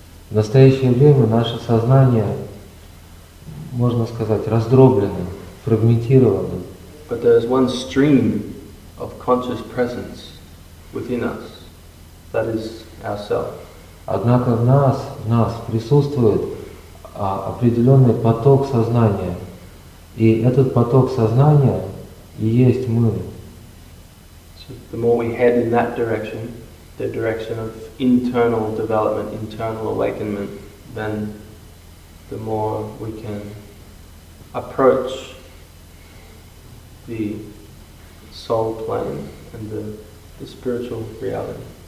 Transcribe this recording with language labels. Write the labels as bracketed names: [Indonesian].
[Russian] В настоящее время наше сознание, можно сказать, раздроблено, фрагментировано. [English] But there is one stream of conscious presence within us, that is ourself. [Russian] Однако в нас присутствует определенный поток сознания, и этот поток сознания и есть мы. [English] So the more we head in that direction, the direction of internal development, internal awakenment, then the more we can approach the soul plane and the spiritual reality.